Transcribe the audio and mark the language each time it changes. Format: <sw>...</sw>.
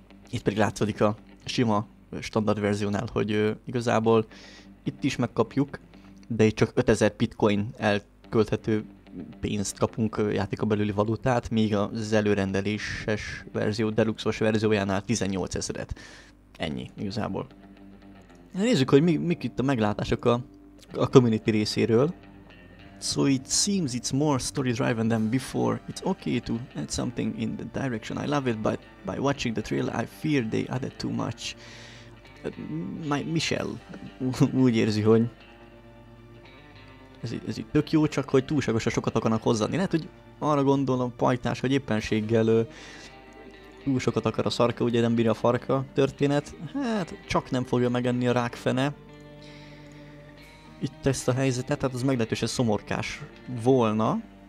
<hu>Itt pedig látszódik a sima standard verziónál, hogy igazából itt is megkapjuk, de itt csak 5000 bitcoin elkölthető pénzt kapunk játéka belüli valutát, míg az előrendeléses verzió, deluxos verziójánál 18 000-et. Ennyi igazából. Nézzük, hogy mik itt a meglátások a community részéről.</hu> <en>So it seems it's more story-driven than before. It's okay to add something in the direction. I love it, but by watching the trailer, I fear they added too much.</en> <hu>My Michelle úgy érzi, hogy ez így tök jó, csak hogy túlságosan sokat akarnak hozzáadni. Lehet, hogy arra gondolom pajtás, hogy éppenséggel túl sokat akar a szarka, ugye nem bírja a farka történet. Hát, csak nem fogja megenni a rákfene itt ezt a helyzetet, tehát az meglehetősen szomorkás volna.</hu>